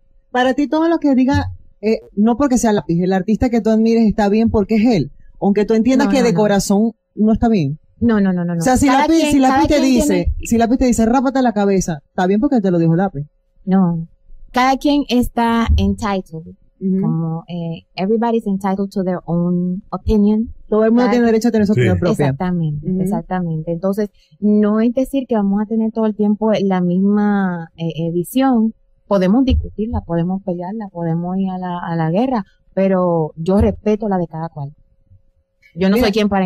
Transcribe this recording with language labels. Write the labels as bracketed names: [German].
[Spanish] Para ti todo lo que diga, no porque sea lápiz, el artista que tú admires está bien porque es él, aunque tú entiendas corazón no está bien. No. O sea, si lápiz te dice, rápate la cabeza, está bien porque te lo dijo lápiz. No. Cada quien está entitled. Mm-hmm. [English] Como, everybody's entitled to their own opinion. [Spanish] Todo el mundo tiene derecho a tener su opinión propia. Exactamente, mm-hmm, exactamente. Entonces, no es decir que vamos a tener todo el tiempo la misma visión. Podemos discutirla, podemos pelearla, podemos ir a la guerra, pero yo respeto la de cada cual. Yo no sé quién para